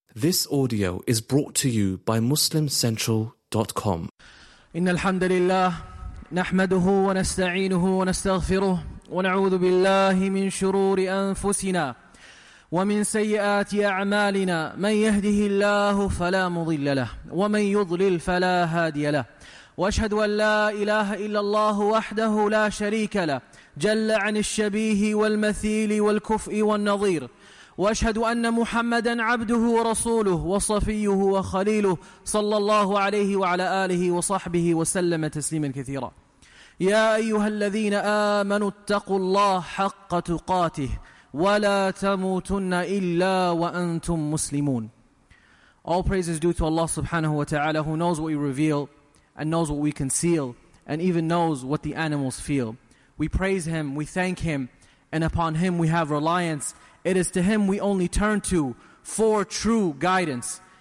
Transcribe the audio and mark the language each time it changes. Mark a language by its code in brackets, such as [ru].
[en] This audio is brought to you by MuslimCentral.com. [ar] إن الحمد لله نحمده ونستعينه ونستغفره ونعوذ بالله من شرور أنفسنا ومن سيئات أعمالنا من يهده الله فلا مضل له ومن يضلل فلا هادي له وأشهد أن لا إله إلا الله وحده لا شريك له جل عن الشبيه والمثيل والكفء والنظير وأشهد أن محمدًا عبده ورسوله وصفيه وخليله صلى الله عليه وعلى آله وصحبه وسلم تسليما كثيرا يا أيها الذين آمنوا اتقوا الله حق تقاته ولا تموتن إلا وأنتم مسلمون. [en] All praise is due to Allah subhanahu wa ta'ala, who knows what we reveal and knows what we conceal and even knows what the animals feel. We praise Him, we thank Him, and upon Him we have reliance. It is to Him we only turn to for true guidance.